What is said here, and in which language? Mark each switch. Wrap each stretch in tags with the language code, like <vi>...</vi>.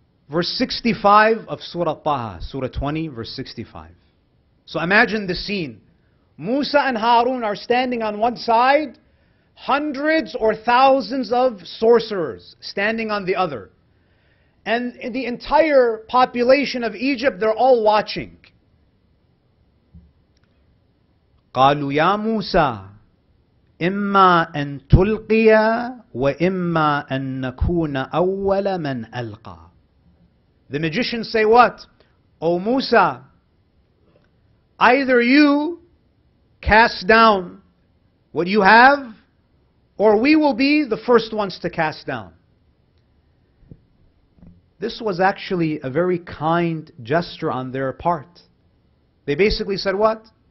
<en>Verse 65 of Surah Taha, Surah 20, verse 65. So imagine the scene. Musa and Harun are standing on one side, hundreds or thousands of sorcerers standing on the other. And the entire population of Egypt, they're all watching.</en> <ar>قالوا يا موسى إما أن تلقي وإما أن نكون أول من ألقى.</ar> <en>The magicians say what? Oh Musa, either you cast down what you have, or we will be the first ones to cast down. This was actually a very kind gesture on their part. They basically said what?</en>